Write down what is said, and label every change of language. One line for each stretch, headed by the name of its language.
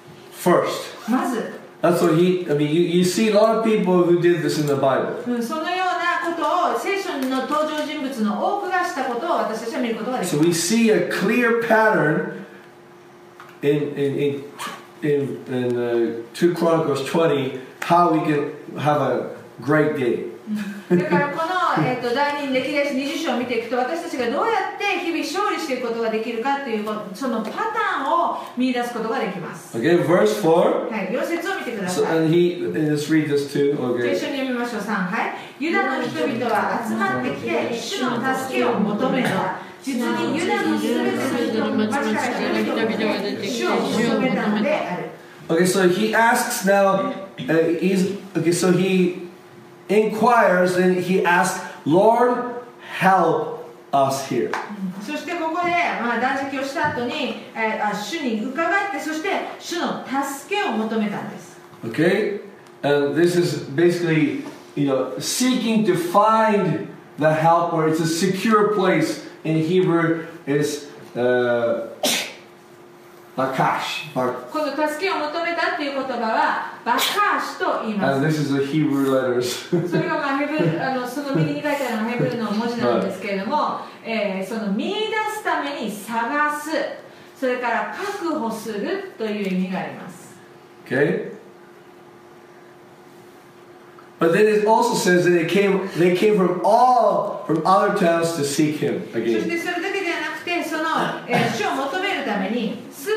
English: First. That's what you see a lot of people who did this in the Bible.
Japanese: そのようなことを聖書の登場人物の多くがしたことを私たちは見ることができます。
English: So we see a clear pattern in 2 Chronicles 20 how we can have a great day.
Japanese: だからこの、第二歴代史20章を見ていくと、私たちがどうやって日々勝利していくことができるかというそのパターンを見出すことができます。
English: Again, verse 4、
Japanese: はい、4節を見てください。
English: Let's read this too. Okay.
Japanese: 一緒に読みましょう。 3、はい、ユダの人々は集まってきて主の助けを求めた。実にユダの人々の町から人々が主を求めたのである。
English: Okay, so he asks now, so he inquires and he asks, Lord, help us here.
Japanese: そしてここで、まあ、断食をした後に、主に伺って、そして主の助けを求めたんです。
English: Okay, and this is basically, you know, seeking to find the help, or it's a secure place in Hebrew is, Bakash.
Japanese: この助けを求めたっていう言葉はバカシと言います。
English: And this is the Hebrew letters.
Japanese: それがまあヘブル、その右に書いてあるのヘブルの文字なんですけれども、その見出すために探す、それから確保するという意味があります。
English: Okay. But then it also says that they came from all from other towns to seek him again.
Japanese: そしてそれだけではなくて、その主を求めるために。